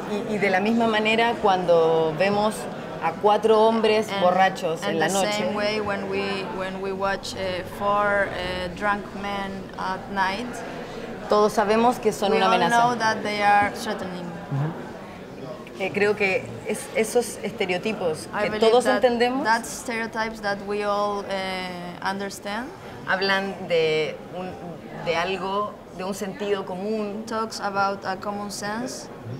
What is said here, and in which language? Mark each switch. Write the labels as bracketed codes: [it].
[es] Y de la misma manera cuando vemos a cuatro hombres borrachos en la noche. [en] And the same way when we watch four drunk men at night. [es] Todos sabemos que son una amenaza. [en] We all know that they are threatening. [es] Creo que esos estereotipos que todos entendemos. [en] That stereotypes that we all understand. [es] Hablan de algo, de un sentido común. [en] Talks about a common sense.